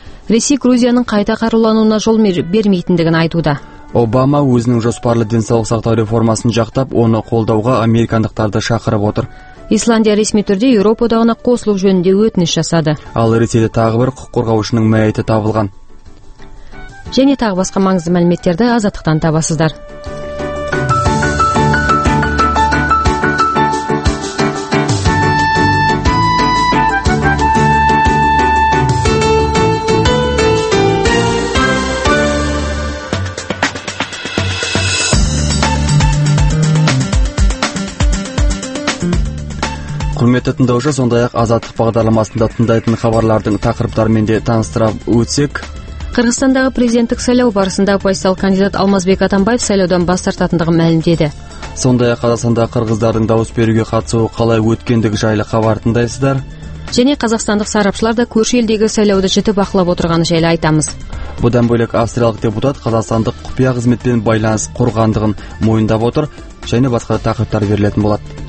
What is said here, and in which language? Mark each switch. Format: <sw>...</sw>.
<ky>Ресей Грузиянын кайта карууланууна жол бермейтиндигин айтууда. Обама өзүнүн жоспарлы ден соолук сактоо реформасын жактап, аны колдоого американдыктарды чакырып отур. Исландия расмий түрдө Европа Одагына кошулуу жөнүндө өтүнүч жасады. Ал Ресейде тагы бир укук коргоочунун маяти табылган.</ky> <kk>Жене тағы басқа маңызды мәліметтерді азаттықтан табасыздар. Құрметті тыңдаушы, сондай-ақ азаттық бағдарламасында тыңдайтын хабарлардың тақырыптарымен де таныстырып өтсек.</kk> <ky>Кыргызстандагы президенттик шайлоо барысында оппозициялык кандидат Алмазбек Атамбаев шайлоодон баш тартатындыгын</ky> <kk>мәлімдеді. Сондай-ақ Қазақстандағы кыргыздардың дауыс беруге қатысуы қалай өткендігі жайлы хабар тыңдайсыздар. Және қазақстандық сарапшылар да көрші елдегі шайлоуды жіті бақылап отырғаны жайлы айтамыз. Бұдан бөлек австриялық депутат қазақстандық құпия қызметпен байланыс құрғандығын мойындап отыр, және басқа тақырыптар берілетін болады.</kk>